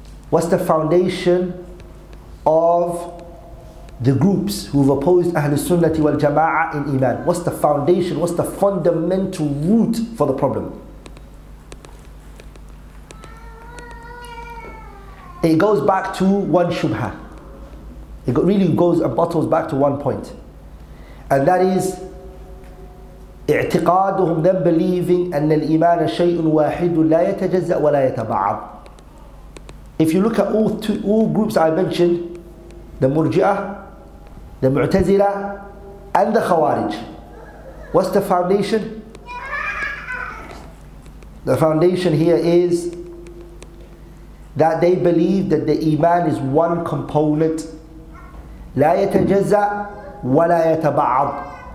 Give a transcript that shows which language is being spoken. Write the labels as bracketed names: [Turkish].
[English] What's the foundation of the groups who've opposed Ahlul Sunnah wal Jama'ah in Iman? What's the foundation? What's the fundamental root for the problem? It goes back to one shubha. It really goes and bottles back to one point. [Arabic] And that is, اعتقادهم [English] them believing [Arabic] أن الإيمان شيء واحد لا يتجزأ ولا يتبعض. [English] If you look at all groups I mentioned, the Murji'ah, the Mu'tazila, and the Khawarij, what's the foundation? The foundation here is that they believe that the Iman is one component, [Arabic] لا يتجزأ ولا يتبعض.